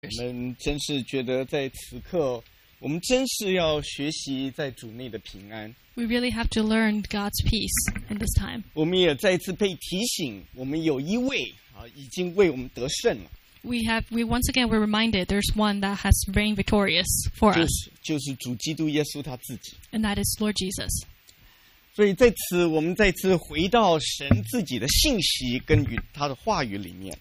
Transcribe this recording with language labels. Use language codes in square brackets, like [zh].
[zh] 我们真是觉得在此刻，我们真是要学习在主内的平安。 [en] We really have to learn God's peace in this time. [zh] 我们也再一次被提醒，我们有一位啊，已经为我们得胜了。 [en] We once again were reminded there's one that has reigned victorious for us. [zh] 就是主基督耶稣他自己。 [en] And that is Lord Jesus. [zh] 所以在此，我们再次回到神自己的信息跟与他的话语里面。